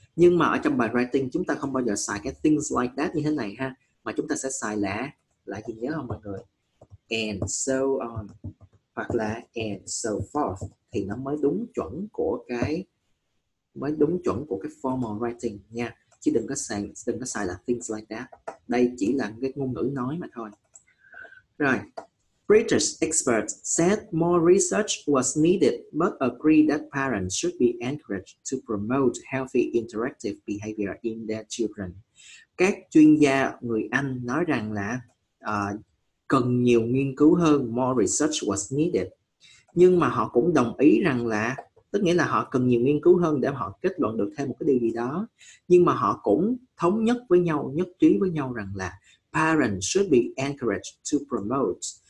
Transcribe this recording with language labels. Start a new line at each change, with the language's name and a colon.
Vietnamese: Nhưng mà ở trong bài writing chúng ta không bao giờ xài cái
English: things like that
Vietnamese: như thế này ha, mà chúng ta sẽ xài là gì nhớ không mọi người?
English: And so on,
Vietnamese: hoặc là
English: and so forth,
Vietnamese: thì nó mới đúng chuẩn của cái formal writing nha, chứ đừng có xài là
English: things like that.
Vietnamese: Đây chỉ là cái ngôn ngữ nói mà thôi. Rồi.
English: British experts said more research was needed, but agreed that parents should be encouraged to promote healthy interactive behavior in their children.
Vietnamese: Các chuyên gia người Anh nói rằng là cần nhiều nghiên cứu hơn,
English: more research was needed.
Vietnamese: Nhưng mà họ cũng đồng ý rằng là, tức nghĩa là họ cần nhiều nghiên cứu hơn để họ kết luận được thêm một cái điều gì đó. Nhưng mà họ cũng thống nhất với nhau, nhất trí với nhau rằng là
English: parents should be encouraged to promote.